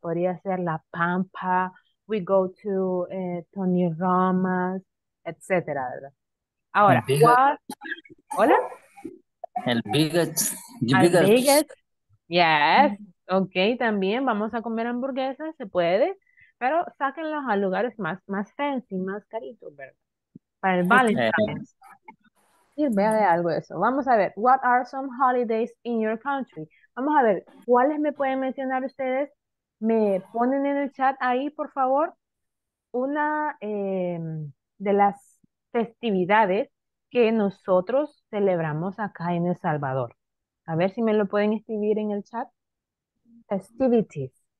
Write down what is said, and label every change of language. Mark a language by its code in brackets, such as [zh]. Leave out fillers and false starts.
[es] Podría ser La Pampa, [en] we go to Tony Roma's, [es] etc. Ahora, [en] what? [es] ¿Hola? El biggest. El biggest. [en] Yes. [es] Ok, también vamos a comer hamburguesas, se puede. Pero sáquenlos a lugares más fancy, más caritos, ¿verdad? Para el Valentine's. Sirve de algo eso. Vamos a ver, [en] what are some holidays in your country? [es] Vamos a ver, ¿cuáles me pueden mencionar ustedes? Me ponen en el chat ahí, por favor, una de las festividades que nosotros celebramos acá en El Salvador. A ver si me lo pueden escribir en el chat. Festivities.